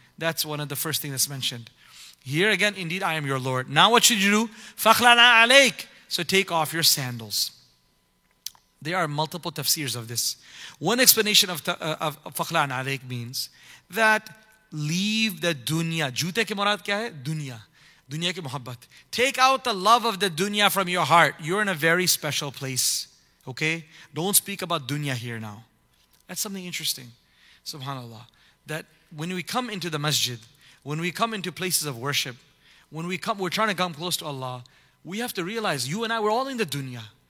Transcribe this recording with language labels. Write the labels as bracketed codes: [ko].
[en] That's one of the first things that's mentioned. Here again, indeed I am your Lord. Now what should you do? [ar] Fakhlana alayk. [en] So take off your sandals. There are multiple tafsirs of this. One explanation of Fakhlana alayk means that leave the dunya. [ur] جوتے کے مراد کیا ہے? Dunya. دنیا کے محبت. [en] Take out the love of the dunya from your heart. You're in a very special place. Okay? Don't speak about dunya here now. That's something interesting. Subhanallah. That when we come into the masjid, when we come into places of worship, when we come, we're trying to come close to Allah, we have to realize, you and I, we're all in the dunya.